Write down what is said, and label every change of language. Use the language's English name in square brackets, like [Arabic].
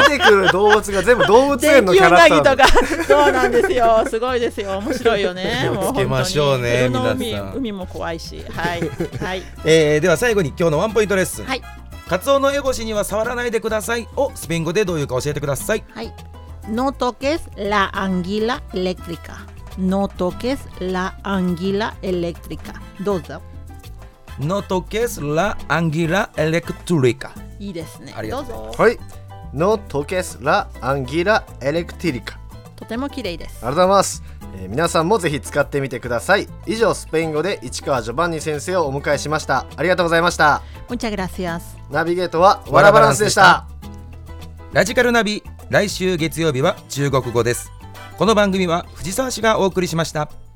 [Japanese] 出てくる動物が全部動物園のキャラクター。電気ウナギとか。そうなんですよ。すごいですよ。面白いよね。気をつけましょうね、皆さん。海も怖いし、はいはい。では最後に今日のワンポイントレッスン。はい。カツオのエゴシには触らないでくださいをスペイン語でどういうか教えてください。はい。 [Spanish] No toques la anguila eléctrica. No toques la anguila eléctrica. [Japanese] どうぞ。 [Spanish] No toques la anguila eléctrica. [Japanese] いいですね。ありがとうございます。はい。 [Spanish] No toques la anguila eléctrica. [Japanese] とても綺麗です。ありがとうございます。皆さんもぜひ使ってみてください。以上、スペイン語で市川ジョバンニ先生をお迎えしました。ありがとうございました。 [Spanish] Muchas gracias. [Japanese] ナビゲートはワラバランスでした。ラジカルナビ。来週月曜日は中国語です。この番組は藤沢市がお送りしました。